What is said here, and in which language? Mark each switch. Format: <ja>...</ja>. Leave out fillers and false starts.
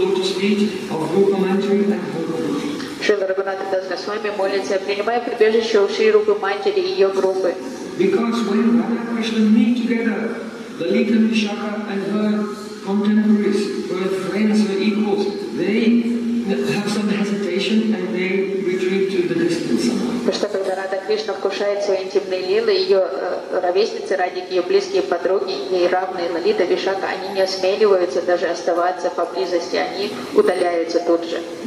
<ru>Шрила Рагунатха Дас Госвами молится, принимая прибежище у Шри Рупы Матери и ее группы.</ru> <en>Because when Radha and Krishna meet together, the Lalita and Vishakha and her contemporaries, her friends, her equals, they have some hesitation and they retreat to the distance.</en> <ru>Кришна вкушает свои интимные лилы, ее ровесницы, радики, ее близкие подруги, ей равные Лалита, Вишака, они не осмеливаются даже оставаться поблизости, они удаляются тут же.</ru>